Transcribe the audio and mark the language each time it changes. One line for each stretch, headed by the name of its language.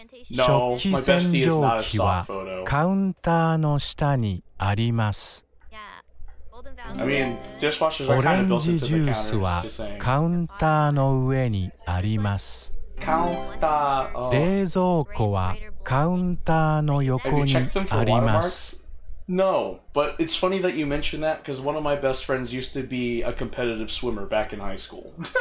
English: No, my bestie is not a stock photo.
Japanese: Counter の下にあります。
English: I mean, dishwashers are kind of built into the counter.
Japanese: カウンターの上にあります。カウンター。冷蔵庫はカウンターの横にあります。
English: No, but it's funny that you mentioned that because one of my best friends used to be a competitive swimmer back in high school.